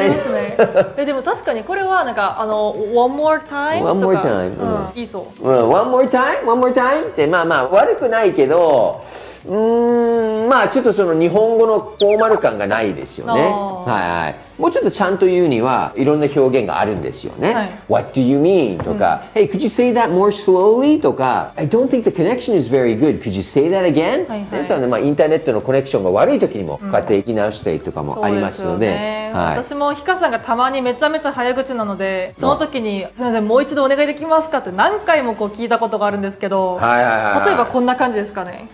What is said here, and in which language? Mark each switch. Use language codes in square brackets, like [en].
[ja] ありますね。でも確かにこれはなんかあの [en] One more time [ja] とか [en] One more time、 [ja] うんうん、いいそう、 [en] うん、One more time? One more time? [ja] ってまあまあ悪くないけど、まあちょっとその日本語のフォーマル感がないですよね、はいはい、もうちょっとちゃんと言うにはいろんな表現があるんですよね、はい、 [en] What do you mean? [ja] とか、うん、 [en] Hey, could you say that more slowly? とか I don't think the connection is very good. Could you say that again? [ja] はい、はい、ですので、まあ、インターネットのコネクションが悪い時にもこうやって言い直したりとかもありますので、うん、そうですよね、はい、私もひかさんがたまにめちゃめちゃ早口なので、その時にすみません、もう一度お願いできますかって何回もこう聞いたことがあるんですけど、はいはいはいはい、例えばこんな感じですかね。